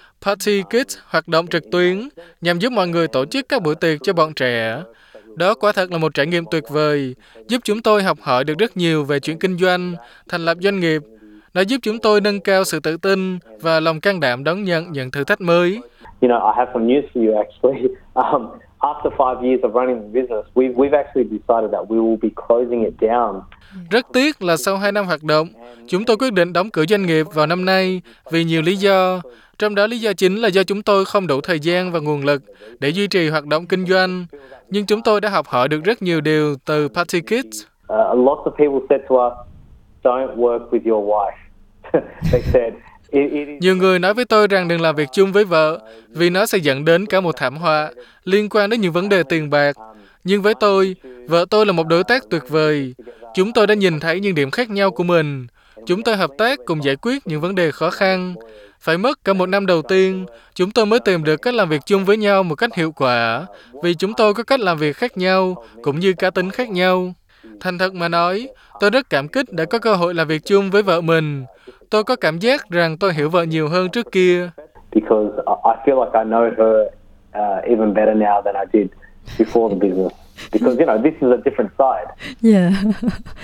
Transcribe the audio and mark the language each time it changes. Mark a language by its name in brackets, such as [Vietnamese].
[Vietnamese] Batikis hoạt động trực tuyến nhằm giúp mọi người tổ chức các buổi tiệc cho bọn trẻ. Đó quả thật là một trải nghiệm tuyệt vời, giúp chúng tôi học hỏi được rất nhiều về chuyện kinh doanh, thành lập doanh nghiệp. Nó giúp chúng tôi nâng cao sự tự tin và lòng can đảm đón nhận những thử thách mới. [English] You know, I have some news for you actually. After 5 years of running the business, we've actually decided that we will be closing it down. [Vietnamese] Rất tiếc là sau 2 năm hoạt động, chúng tôi quyết định đóng cửa doanh nghiệp vào năm nay vì nhiều lý do. Trong đó lý do chính là do chúng tôi không đủ thời gian và nguồn lực để duy trì hoạt động kinh doanh. Nhưng chúng tôi đã học hỏi được rất nhiều điều từ Batikis. [English] Lots of people said to us, "Don't work with your wife." They said. [Vietnamese] Nhiều người nói với tôi rằng đừng làm việc chung với vợ vì nó sẽ dẫn đến cả một thảm họa liên quan đến những vấn đề tiền bạc. Nhưng với tôi, vợ tôi là một đối tác tuyệt vời. Chúng tôi đã nhìn thấy những điểm khác nhau của mình. Chúng tôi hợp tác cùng giải quyết những vấn đề khó khăn. Phải mất cả một năm đầu tiên, chúng tôi mới tìm được cách làm việc chung với nhau một cách hiệu quả vì chúng tôi có cách làm việc khác nhau cũng như cá tính khác nhau. Thành thật mà nói, tôi rất cảm kích đã có cơ hội làm việc chung với vợ mình. Tôi có cảm giác rằng tôi hiểu vợ nhiều hơn trước kia. [English] Because I feel like I know her even better now than I did before the business. Because you know, this is a different side.